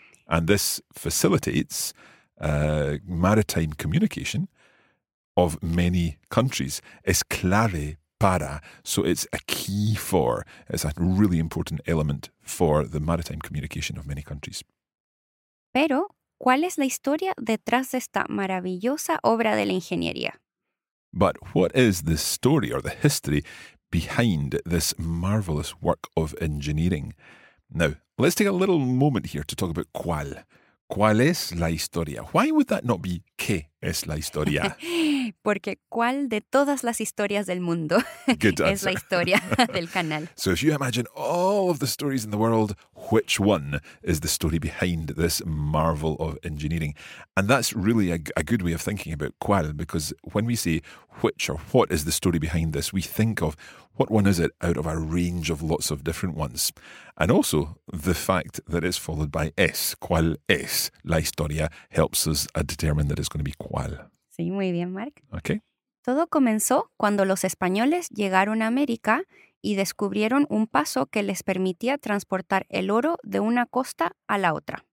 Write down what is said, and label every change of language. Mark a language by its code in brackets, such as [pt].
[en] And this facilitates maritime communication of many countries. [es] Es clave para, [en] so it's a key for, it's a really important element for the maritime communication of many countries. [es] Pero, ¿cuál es la historia detrás de esta maravillosa obra de la ingeniería? [en] But what is the story or the history behind this marvelous work of engineering? Now, let's take a little moment here to talk about cuál. [es] ¿Cuál es la historia? [en] Why would that not be [es] qué es la historia? Porque cuál de todas las historias del mundo es la historia del canal. [en] So if you imagine all of the stories in the world, which one is the story behind this marvel of engineering? And that's really a good way of thinking about cuál, because when we say which or what is the story behind this, we think of what one is it out of a range of lots of different ones. And also the fact that it's followed by es, [es] cuál es la historia, [en] helps us determine that it's going to be cuál. [es] Sí, muy bien, Mark. [en] Okay. [es] Todo comenzó cuando los españoles llegaron a América y descubrieron un paso que les permitía transportar el oro de una costa a la otra.